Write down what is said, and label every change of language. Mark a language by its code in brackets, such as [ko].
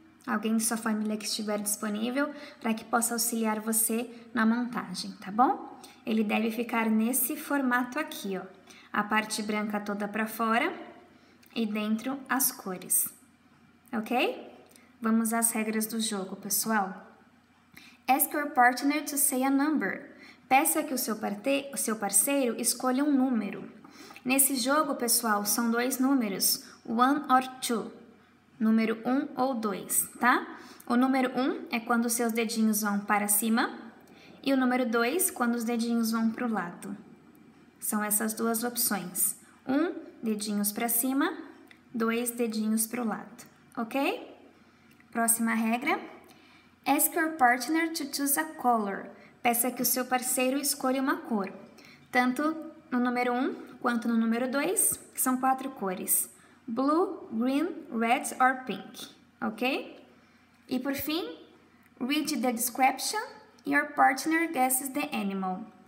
[pt] Alguém de sua família que estiver disponível para que possa auxiliar você na montagem, tá bom? Ele deve ficar nesse formato aqui, ó. A parte branca toda para fora e dentro as cores. Ok? Vamos às regras do jogo, pessoal. [en] Ask your partner to say a number. [pt] Peça que o seu parceiro escolha um número. Nesse jogo, pessoal, são dois números, [en] one or two. [pt] Número 1 ou 2, tá? O número 1 é quando os seus dedinhos vão para cima e o número 2 quando os dedinhos vão para o lado. São essas duas opções. 1, dedinhos para cima, 2, dedinhos para o lado, ok? Próxima regra. [en] Ask your partner to choose a color. [pt] Peça que o seu parceiro escolha uma cor. Tanto no número 1 quanto no número 2, que são 4 cores. [en] Blue, green, red or pink, ok? [pt] E por fim, [en] read the description, your partner guesses the animal.